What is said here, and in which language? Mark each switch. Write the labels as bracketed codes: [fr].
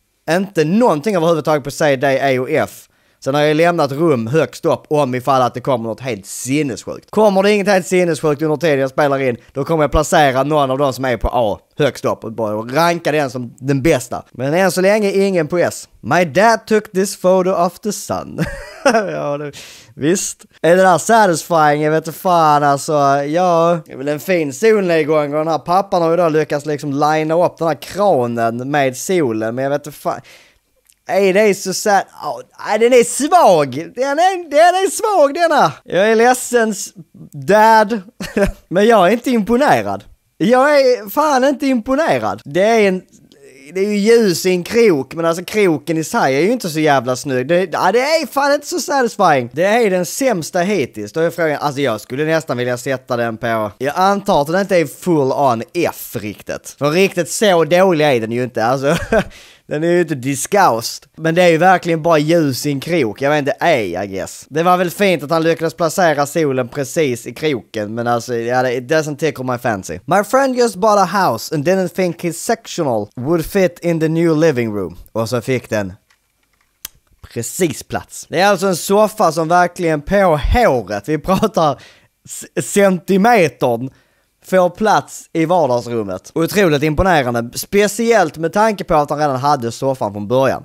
[sv] Inte någonting överhuvudtaget på C, D, E och F. Sen har jag lämnat rum högst upp om ifall att det kommer något helt sinnessjukt. Kommer det inget helt sinnessjukt under tiden jag spelar in, då kommer jag placera någon av dem som är på A högst upp och bara ranka den som den bästa. Men än så länge ingen på S. [en] My dad took this photo of the sun. [sv] Ja, det, visst. Är det där satisfying? Jag vet inte fan alltså. Ja, det är väl en fin solnedgång. Och den här pappan har ju då lyckats liksom linea upp den här kranen med solen. Men jag vet inte fan. Ej, det är så sad. Den är svag. Den är svag denna. Jag är ledsen, dad. Men jag är inte imponerad. Jag är fan inte imponerad. Det är ju ljus i en krok. Men alltså kroken i sig är ju inte så jävla snygg. Det är fan inte så satisfying. Det är den sämsta hittills. Då är frågan, alltså jag skulle nästan vilja sätta den på. Jag antar att den inte är full on F riktigt. För riktigt så dålig är den ju inte. Alltså Den är ju inte disgust. Men det är ju verkligen bara ljus i en krok. Jag vet inte, ej, [en] I guess. [sv] Det var väl fint att han lyckades placera solen precis i kroken. Men alltså, [en] yeah, it doesn't take on my fancy. My friend just bought a house and didn't think his sectional would fit in the new living room. [sv] Och så fick den precis plats. Det är alltså en soffa som verkligen på håret, vi pratar centimetern, får plats i vardagsrummet. Otroligt imponerande. Speciellt med tanke på att han redan hade soffan från början.